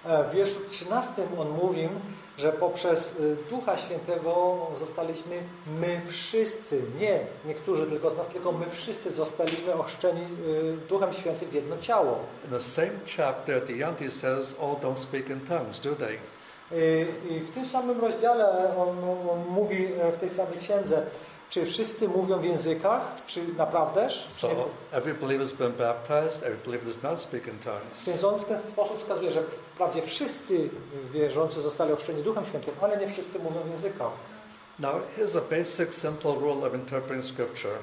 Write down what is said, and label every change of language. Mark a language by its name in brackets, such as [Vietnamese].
[Polish] W wierszu 13 on mówi, że poprzez Ducha Świętego zostaliśmy my wszyscy, nie niektórzy tylko z nas, tylko my wszyscy zostaliśmy ochrzczeni Duchem Świętym w jedno ciało. [English] In the same chapter at the end he says all don't speak in tongues, do they? [Polish] I w tym samym rozdziale on mówi w tej samej księdze, czy wszyscy mówią w językach, czy naprawdęż? [English] So every believer has been baptized, every believer does not speak in tongues. [Polish] Więc on w ten sposób wskazuje, że wprawdzie wszyscy wierzący zostali ochrzczeni Duchem Świętym, ale nie wszyscy mówią w językach. [English] Now here's a basic, simple rule of interpreting scripture.